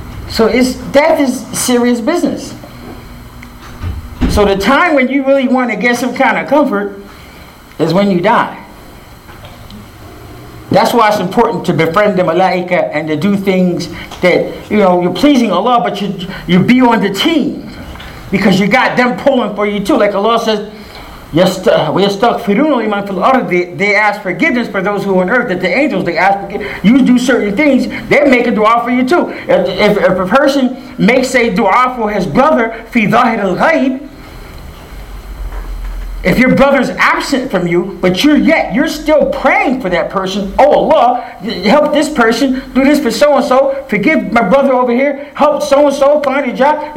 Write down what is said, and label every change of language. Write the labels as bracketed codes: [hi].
[en] So death is serious business. So the time when you really want to get some kind of comfort is when you die. That's why it's important to befriend the malaika and to do things that, you know, you're pleasing Allah, but you be on the team. Because you got them pulling for you too. Like Allah says, [ar] وَيَسْتَغْفِرُونَ لِمَنْ فِي الْأَرْضِ. [en] They ask forgiveness for those who are on earth. That the angels, they ask forgiveness. You do certain things, they make a dua for you too. If a person makes a dua for his brother, [ar] فِي ظَهِرِ الْغَيْبِ. [en] If your brother's absent from you, but you're still praying for that person, oh Allah, help this person, do this for so-and-so, forgive my brother over here, help so-and-so find a job.